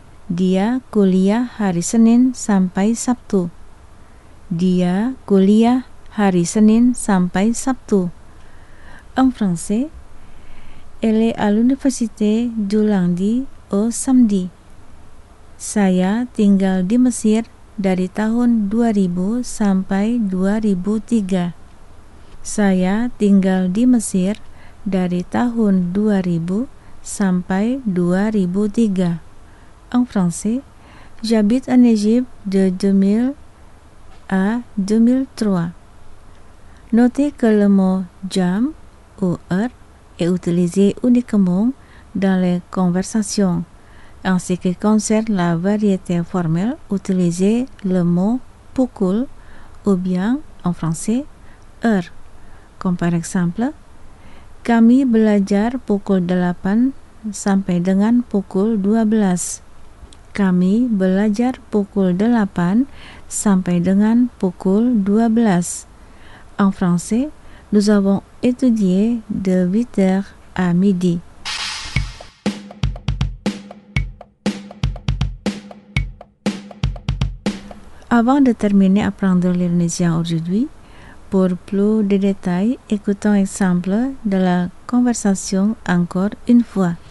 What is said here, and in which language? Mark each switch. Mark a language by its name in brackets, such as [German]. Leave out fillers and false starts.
[Indonesian] Dia kuliah hari Senin sampai Sabtu. Dia kuliah hari Senin sampai Sabtu. [French] En français, elle est à l'université du lundi au samedi. [Indonesian] Saya tinggal di Mesir dari tahun 2000 sampai 2003. Saya tinggal di Mesir dari tahun 2000 sampai 2003. [French] En français, j'habite en Égypte de 2000 à 2003. Notez que le mot jam ou heure est utilisé uniquement dans les conversations. En ce qui concerne la variété formelle, utilisez le mot pukul ou bien en français heure. Comme par exemple, [Indonesian] kami belajar pukul 8 sampai dengan pukul 12. Kami belajar pukul 8 sampai dengan pukul 12. [French] En français, nous avons étudié de 8h à midi. Avant de terminer apprendre l'indonésien aujourd'hui, pour plus de détails, écoutons un exemple de la conversation encore une fois.